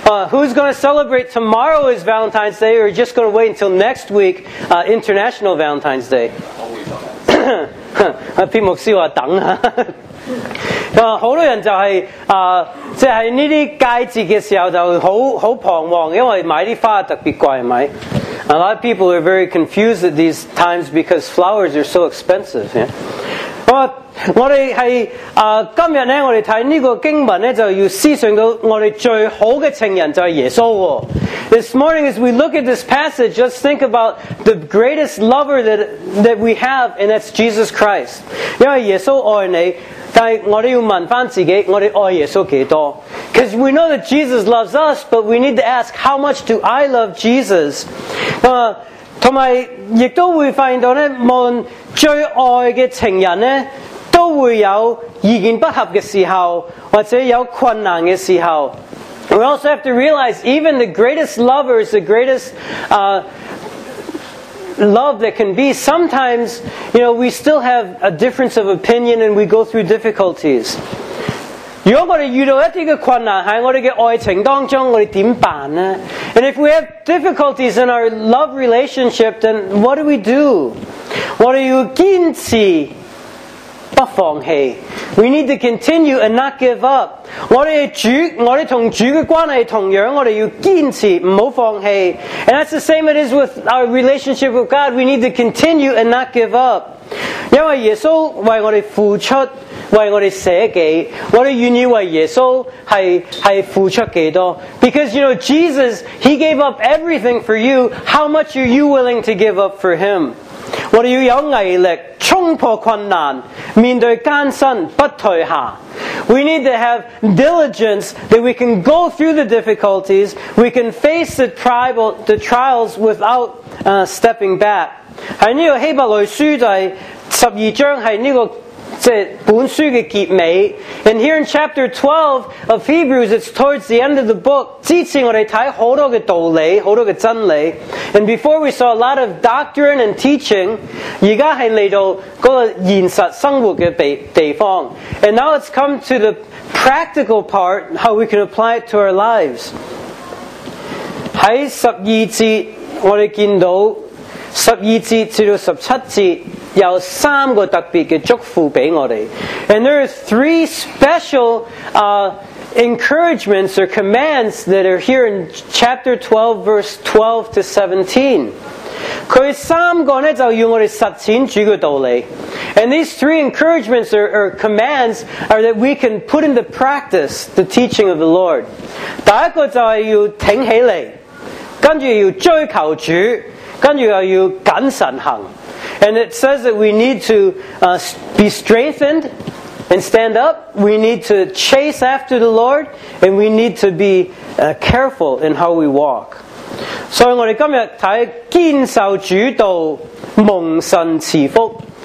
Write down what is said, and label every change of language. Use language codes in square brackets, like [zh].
[en] Who's going to celebrate tomorrow is Valentine's Day, or are you just going to wait until next week, International Valentine's Day? I'll wait. [zh] 牧師說等啊。很多人就是就是這些佳節的時候就很彷徨，因為買的花特別貴，是不是？ [en] A lot of people are very confused at these times because flowers are so expensive. Yeah? [zh] But,我们是今天呢我们看这个经文呢就要思想到我们最好的情人就是耶稣。 [en] This morning as we look at this passage, let's think about the greatest lover that we have, and that's Jesus Christ. [zh] 因为耶稣爱你，但是我们要问回自己，我们爱耶稣多少？ [en] Because we know that Jesus loves us, but we need to ask, how much do I love Jesus? [zh] 同埋亦都会发现到呢，无论最爱的情人呢都会有意见不合的时候，或者有困难的时候。 [en] We also have to realize, even the greatest lovers, the greatest love that can be, sometimes, you know, we still have a difference of opinion and we go through difficulties. [zh] 如果我们遇到一些困难在我们的爱情当中，我们怎么办呢？ [en] And if we have difficulties in our love relationship, then what do we do? [zh] 我们要坚持不放棄。 [en] We need to continue and not give up. [zh] 我们同主的关系同样，我们要坚持不要放棄。 [en] And that's the same it is with our relationship with God. We need to continue and not give up. [zh] 因为耶稣为我们付出，为我们舍己，我们愿意为耶稣 是付出多少。 [en] Because you know, Jesus, He gave up everything for you. How much are you willing to give up for Him? [zh] 我们要有毅力冲破困难，面对艰辛不退下。 [en] We need to have diligence that we can go through the difficulties, we can face the trials without stepping back. [zh] 在这个希伯来书就是十二章是这个这本书的结尾。 [en] And here in chapter 12 of Hebrews, it's towards the end of the book, [zh] 支持我们看很多的道理，很多的真理。 [en] And before we saw a lot of doctrine and teaching, [zh] 现在是来到那个现实生活的地方。 [en] And now it's come to the practical part, how we can apply it to our lives. [zh] 在十二节我们看到十二节至到十七节有三个特别的祝福给我们。 [en] And there are three special encouragements or commands that are here in chapter 12, verse 12 to 17. [zh] 他三个就要我们实践主的道理。 [en] And these three encouragements or commands are that we can put into practice the teaching of the Lord. [zh] 第一个就是要挺起来，跟着要追求主，跟着又要谨慎行。 [en] And it says that we need to be strengthened and stand up. We need to chase after the Lord. And we need to be careful in how we walk. So we're going to come here to [zh] 坚守主道，蒙神赐福。